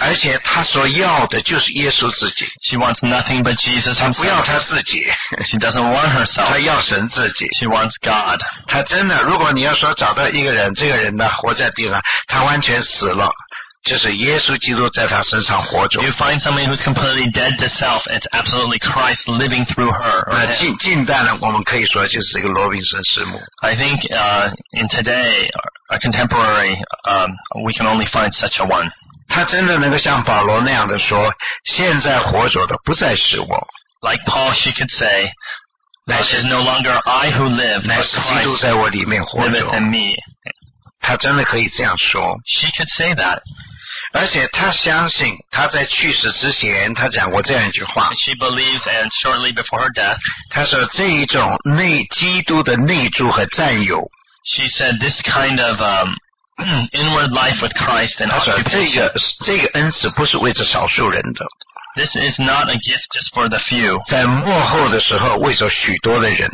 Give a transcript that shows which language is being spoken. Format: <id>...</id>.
<zh>而且她所要的就是耶稣自己。</zh> <en>She wants nothing but Jesus himself.</en> <zh>她不要她自己。</zh> <en>She doesn't want herself.</en> <zh>她要神自己。</zh> <en>She wants God.</en> <zh>她真的，如果你要说找到一个人，这个人呢，活在地上，他完全死了。就是耶稣基督在他身上活着。</zh> <en>You find somebody who's completely dead to self, it's absolutely Christ living through her.</en> <zh>那近代呢，我们可以说就是一个罗宾森师母。</zh> <en>I think in today, a contemporary, we can only find such a one.</en> <zh>他真的能够像保罗那样的说，现在活着的不再是我。</zh> <en>Like Paul, she could say, "It is no longer I who live, but Christ liveth in me."</en> <zh>他真的可以这样说。</zh> <en>She could say that.</en> <zh>而且他相信他在去世之前他讲过这样一句话</zh> <en>She believes and shortly before her death</en> <zh>他说这一种内基督的内住和占有</zh> <en>She said this kind of inward life with Christ and</en> <zh>他说这个恩赐不是为着少数人的</zh> <en>This is not a gift just for the few</en> <zh>在末后的时候为着许多的人</zh>